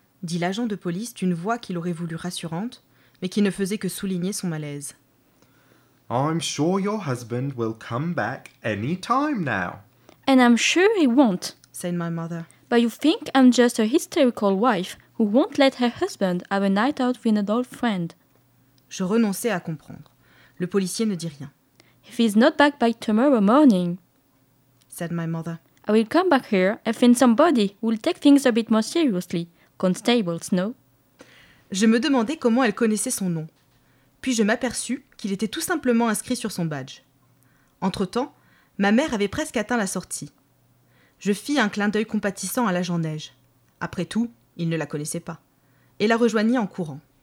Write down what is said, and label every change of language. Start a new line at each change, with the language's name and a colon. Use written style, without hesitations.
French: dit l'agent de police d'une voix qu'il aurait voulu rassurante, mais qui ne faisait que souligner son malaise.
English: I'm sure your husband will come back any time now. And I'm sure he won't, said my mother. But you think I'm just a hysterical wife who won't let her husband have a night out with an old friend.
French: Je renonçais à comprendre. Le policier ne dit rien.
English: If he's not back by tomorrow morning, said my mother. I will come back here and find somebody who will take things a bit more seriously. Constables, no?
French: Je me demandais comment elle connaissait son nom. Puis je m'aperçus qu'il était tout simplement inscrit sur son badge. Entre-temps, ma mère avait presque atteint la sortie. Je fis un clin d'œil compatissant à l'agent neige. Après tout, il ne la connaissait pas. Et la rejoignit en courant.